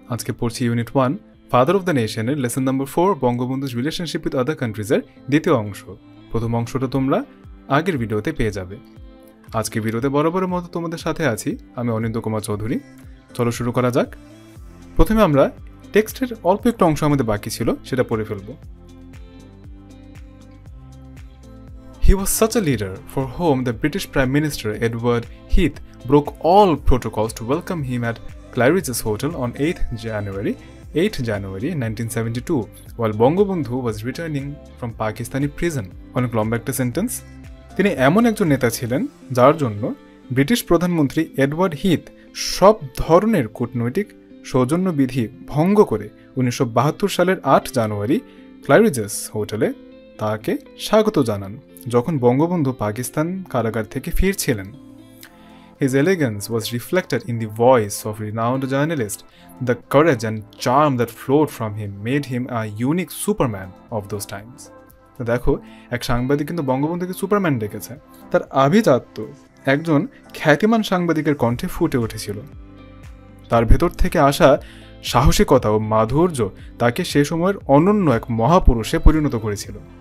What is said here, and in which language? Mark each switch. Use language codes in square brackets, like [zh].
[bn] আজকে পড়ছি unit 1, father of the নেশনের lesson number 4, বঙ্গবন্ধুর রিলেশনশিপ উইথ আদার কান্ট্রিজের দ্বিতীয় অংশ। প্রথম অংশটা তোমরা আগের ভিডিওতে পেয়ে যাবে। আজকে ভিডিওতে বরাবরের মতো তোমাদের সাথে আছি আমি অনিন্দ কুমার চৌধুরী। চলো শুরু করা যাক। প্রথমে আমরা টেক্সটের অল্প একটু অংশ আমাদের বাকি ছিল, সেটা পড়ে ফেলব। [en] He was such a leader for whom the British Prime Minister Edward Heath broke all protocols to welcome him at Claridge's Hotel on 8th January 1972 while Bangabandhu was returning from Pakistani prison. [bn] অনেক লম্বা একটা sentence. তিনি এমন একজন নেতা ছিলেন যার জন্য ব্রিটিশ প্রধানমন্ত্রী এডওয়ার্ড হিথ সব ধরনের কূটনৈতিক সৌজন্য বিধি ভঙ্গ করে 1972 সালের 8 জানুয়ারি ক্লারিজেস হোটেলে তাকে স্বাগত জানান যখন বঙ্গবন্ধু পাকিস্তান কারাগার থেকে ফিরছিলেন। [en] His elegance was reflected in the voice of renowned journalist. The courage and charm that flowed from him made him a unique superman of those times. [bn] দেখো, এক সাংবাদিক কিন্তু বঙ্গবন্ধুকে সুপারম্যান ডেকেছে। তার আভিজাত্য একজন খ্যাতিমান সাংবাদিকের কণ্ঠে ফুটে উঠেছিল। তার ভেতর থেকে আসা সাহসিকতা ও মাধুর্য তাকে সে সময়ের অনন্য এক মহাপুরুষে পরিণত করেছিল।